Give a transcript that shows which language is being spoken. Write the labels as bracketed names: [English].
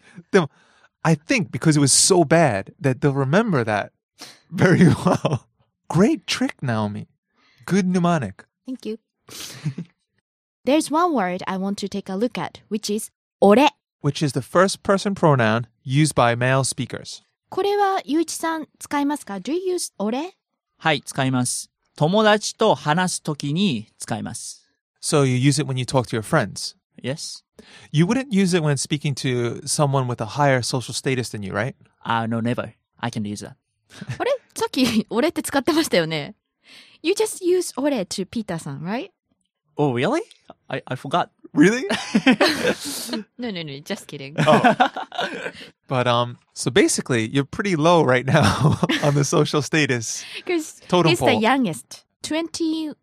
[English] でも、I think because it was so bad that they'll remember that very well. Great trick, Naomi. Good mnemonic. Thank you. There's one word I want to take a look at, which is 俺。 Which is the first person pronoun used by male speakers. [Japanese] これはゆういちさん使いますか? [English] Do you use [Japanese] 俺? はい、使います。友達と話すときに使います。 [English] So you use it when you talk to your friends? Yes. You wouldn't use it when speaking to someone with a higher social status than you, right? No, never. I can use that. [Japanese] あれ? さっき俺って使ってましたよね? [English] You just use 俺 to Peter-san, right? Oh, really? I forgot. Really? No, just kidding. Oh. But, so basically, you're pretty low right now on the social status. Because he's pole. The youngest. 20?